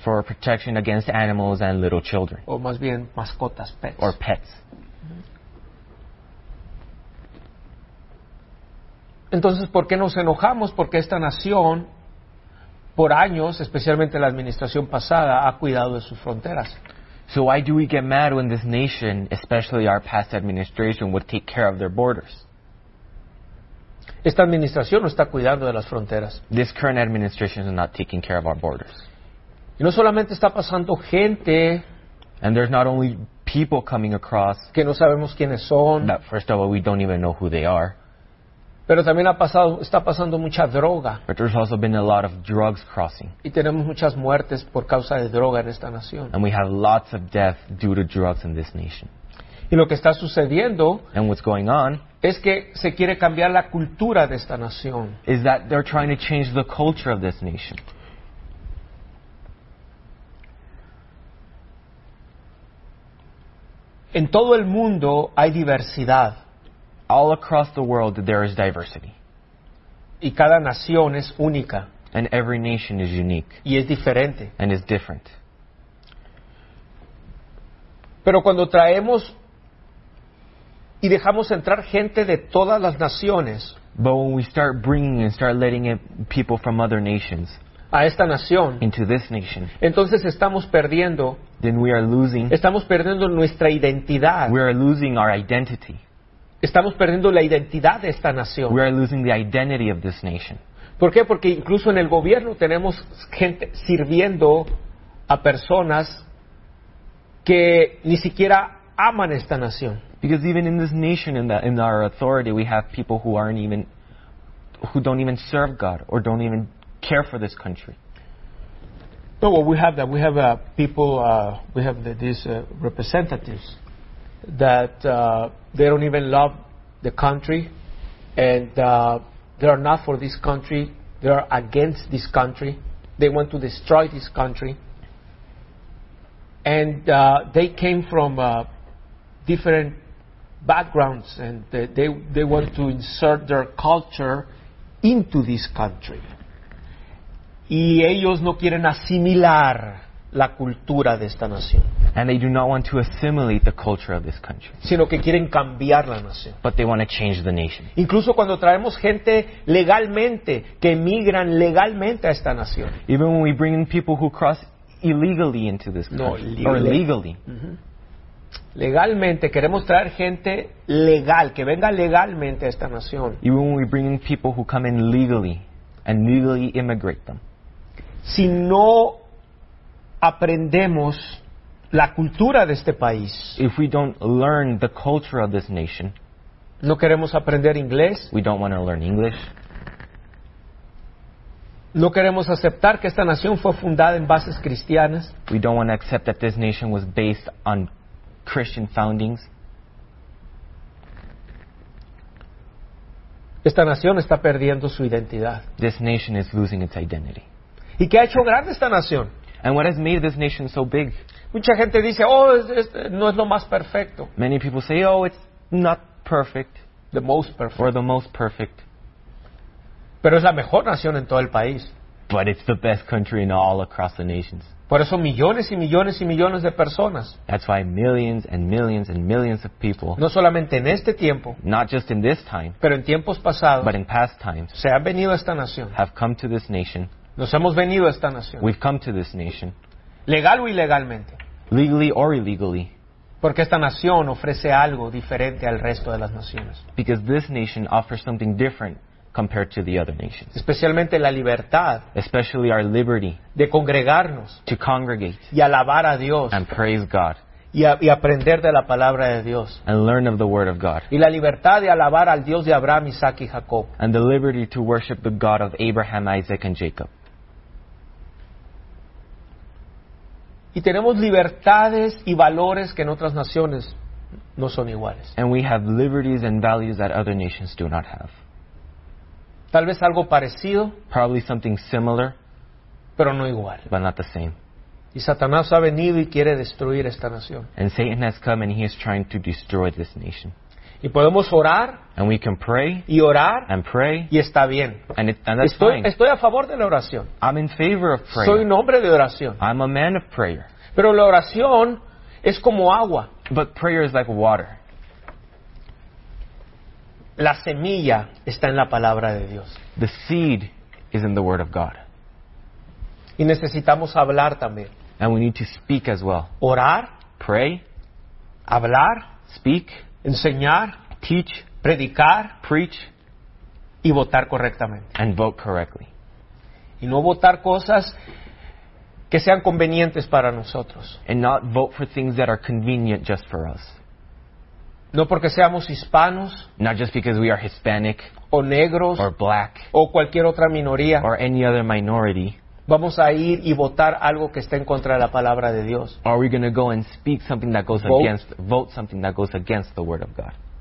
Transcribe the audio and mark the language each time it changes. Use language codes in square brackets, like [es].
[en] For protection against animals and little children. [es] O más bien mascotas, [en] pets. Or pets. [es] Entonces, ¿por qué nos enojamos? Porque esta nación, por años, especialmente la administración pasada, ha cuidado de sus fronteras. [en] So why do we get mad when this nation, especially our past administration, would take care of their borders? [es] Esta administración no está cuidando de las fronteras. [en] This current administration is not taking care of our borders. [es] Y no solamente está pasando gente. [en] And there's not only people coming across. [es] Que no sabemos quiénes son. [en] That first of all, we don't even know who they are. [es] Pero también está pasando mucha droga. [en] But there's also been a lot of drugs crossing. [es] Y tenemos muchas muertes por causa de droga en esta nación. [en] And we have lots of death due to drugs in this nation. [es] Y lo que está sucediendo, [en] and what's going on, [es] es que se quiere cambiar la cultura de esta nación. [en] Is that they're trying to change the culture of this nation. [es] En todo el mundo hay diversidad. [en] All across the world, there is diversity. [es] Y cada nación es única. [en] And every nation is unique. [es] Y es diferente. [en] And is different. [es] Pero cuando traemos y dejamos entrar gente de todas las naciones, [en] but when we start bringing and start letting in people from other nations, [es] a esta nación, [en] into this nation, [es] entonces estamos perdiendo, [en] then we are losing, [es] estamos perdiendo nuestra identidad. [en] We are losing our identity. [es] Estamos perdiendo la identidad de esta nación. [en] We are losing the identity of this nation. [es] ¿Por qué? Porque incluso en el gobierno tenemos gente sirviendo a personas que ni siquiera aman esta nación. [en] Because even in this nation, in our authority, we have people who don't even serve God or don't even care for this country. No, well, we have that. We have these representatives that they don't even love the country, and they are not for this country. They are against this country. They want to destroy this country, and they came from different backgrounds, and they want to insert their culture into this country. [es] Y ellos no quieren asimilar la cultura de esta nación. [en] And they do not want to assimilate the culture of this country. [es] Sino que quieren cambiar la nación. [en] But they want to change the nation. [es] Incluso cuando traemos gente legalmente, que emigran legalmente a esta nación. [en] Even when we bring in people who cross illegally into this country. Legally. Mm-hmm. [es] Legalmente, queremos traer gente legal, que venga legalmente a esta nación. [en] Even when we bring in people who come in legally, and legally immigrate them. [es] Si no aprendemos la cultura de este país, [en] if we don't learn the culture of this nation, [es] no queremos aprender inglés, [en] we don't want to learn English, [es] no queremos aceptar que esta nación fue fundada en bases cristianas, [en] we don't want to accept that this nation was based on Christian foundings, [es] esta nación está perdiendo su identidad, [en] this nation is losing its identity. [es] ¿Y qué ha hecho grande esta nación? [en] And what has made this nation so big? [es] Mucha gente dice, oh, no es lo más perfecto. [en] Many people say, oh, it's not perfect. The most perfect. Or the most perfect. [es] Pero es la mejor nación en todo el país. [en] But it's the best country in all across the nations. [es] Por eso millones y millones y millones de personas. [en] That's why millions and millions and millions of people. [es] No solamente en este tiempo. [en] Not just in this time. [es] Pero en tiempos pasados. [en] But in past times. [es] Se han venido a esta nación. [en] Have come to this nation. [es] Nos hemos venido a esta nación. [en] We've come to this nation. [es] Legal o ilegalmente. [en] Legally or illegally. [es] Porque esta nación ofrece algo diferente al resto de las naciones. [en] Because this nation offers something different compared to the other nations. [es] Especialmente la libertad. [en] Especially our liberty. [es] De congregarnos. [en] To congregate. [es] Y alabar a Dios. [en] And praise God. [es] Y aprender de la palabra de Dios. [en] And learn of the word of God. [es] Y la libertad de alabar al Dios de Abraham, Isaac y Jacob. [en] And the liberty to worship the God of Abraham, Isaac and Jacob. [es] Y tenemos libertades y valores que en otras naciones no son iguales. [en] And we have liberties and values that other nations do not have. [es] Tal vez algo parecido. [en] Probably something similar. [es] Pero no igual. [en] But not the same. [es] Y Satanás ha venido y quiere destruir esta nación. [en] And Satan has come and he is trying to destroy this nation. [es] Y podemos orar. [en] And we can pray. [es] Y orar. [en] And pray. [es] Y está bien. [en] And, and that's [es] estoy, [en] fine. [es] Estoy a favor de la oración. [en] I'm in favor of prayer. [es] Soy un hombre de oración. [en] I'm a man of prayer. [es] Pero la oración es como agua. [en] But prayer is like water. [es] La semilla está en la palabra de Dios. [en] The seed is in the word of God. [es] Y necesitamos hablar también. [en] And we need to speak as well. [es] Orar. [en] Pray. [es] Hablar. [en] Speak. [es] Enseñar. [en] Teach. [es] Predicar. [en] Preach. [es] Y votar correctamente. [en] And vote correctly. [es] Y no votar cosas que sean convenientes para nosotros. [en] And not vote for things that are convenient just for us. [es] No porque seamos hispanos. [en] Not just because we are Hispanic. [es] O negros. [en] Or black. [es] O cualquier otra minoría. [en] Or any other minority. [es] Vamos a ir y votar algo que está en contra de la palabra de Dios. [en] Are we going to go and speak something that goes against, vote something that goes against the word of God?